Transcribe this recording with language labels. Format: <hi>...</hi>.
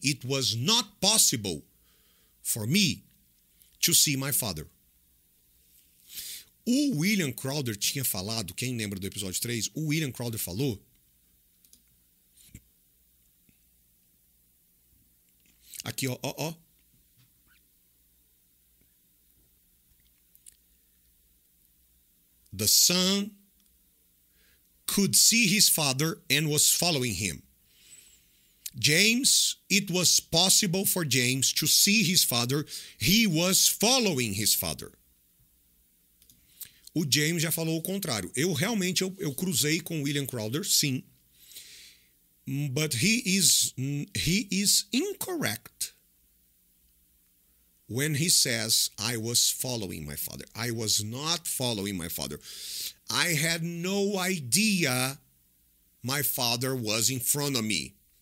<en>It was not possible for me to see my father.</en> <pt>O William Crowder tinha falado, quem lembra do episódio 3? O William Crowder falou aqui, ó.</pt> <en>The son could see his father and was following him. James, it was possible for James to see his father. He was following his father.</en> <pt>O James já falou o contrário. Eu realmente, eu cruzei com William Crowder, sim.</pt> <en>But he is incorrect when he says, I was following my father. I was not following my father. I had no idea my father was in front of me.</en>